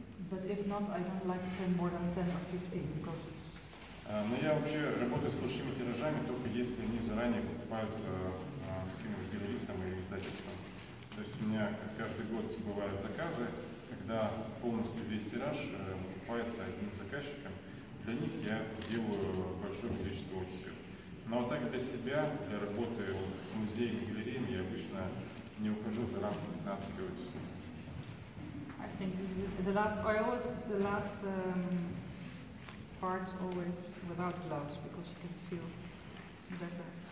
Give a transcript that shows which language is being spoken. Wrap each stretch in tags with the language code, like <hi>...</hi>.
<en>But if not, I don't like to print more than 10 or 15 because it's</en> <ru>но я вообще работаю с большими тиражами, только если они заранее покупаются какими-то галеристом или издательством. То есть у меня каждый год бывают заказы, когда полностью весь тираж покупается одним заказчиком. Для них я делаю большое количество офисов. Но вот так для себя, для работы с музеями и галереями, я обычно не ухожу за рамки 15 офисов.</ru> <en>I think the last part always without gloves because you can feel better.</en>